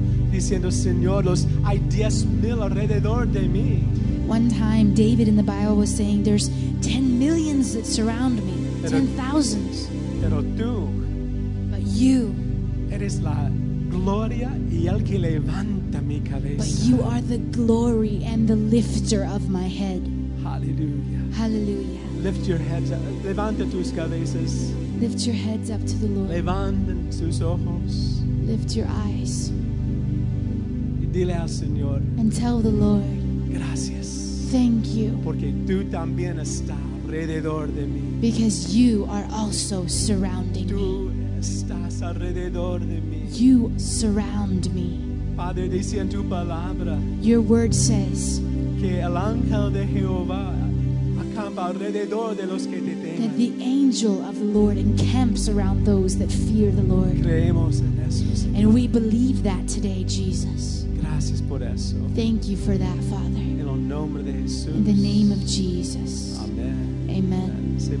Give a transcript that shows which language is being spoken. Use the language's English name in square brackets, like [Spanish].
[Spanish] diciendo, Señor, los hay 10,000 alrededor de mí. [English] One time, David in the Bible was saying, there's 10 millions that surround me, 10,000s. [Spanish] Pero tú, [English] but you, [Spanish] eres la gloria y el que levanta mi cabeza. [English] But you are the glory and the lifter of my head. Hallelujah. Hallelujah. Lift your heads up. [Spanish] Levanta tus cabezas. [English] Lift your heads up to the Lord. [Spanish] Levanta tus ojos. [English] Lift your eyes. [Spanish] Y dile al Señor. [English] And tell the Lord. [Spanish] Gracias. [English] Thank you. [Spanish] Porque tú también estás alrededor de mí. [English] Because you are also surrounding [Spanish] me. Tú estás alrededor de mí. [English] You surround me. [Spanish] Padre, dice en tu palabra. [English] Your word says. [Spanish] Que el ángel de Jehová acampa alrededor de los que te temen. [English] That the angel of the Lord encamps around those that fear the Lord. [Spanish] Creemos en eso, Señor. [English] And we believe that today, Jesus. [Spanish] Gracias por eso. [English] Thank you for that, Father. [Spanish] En el nombre de Jesús. [English] In the name of Jesus. Amen. Amen.